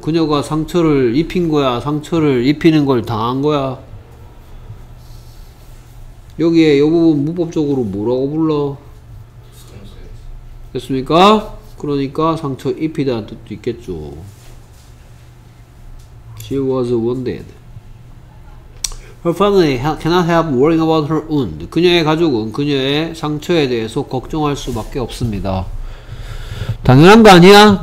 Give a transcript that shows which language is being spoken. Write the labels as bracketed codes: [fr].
[ko] 그녀가 상처를 입힌 거야. 상처를 입히는 걸 당한 거야. 여기에 이 부분 문법적으로 뭐라고 불러? 됐습니까? 그러니까 상처 입히다는 뜻도 있겠죠. [en] She was wounded. Her family cannot help worrying about her wound. [ko] 그녀의 가족은 그녀의 상처에 대해서 걱정할 수밖에 없습니다. 당연한 거 아니야?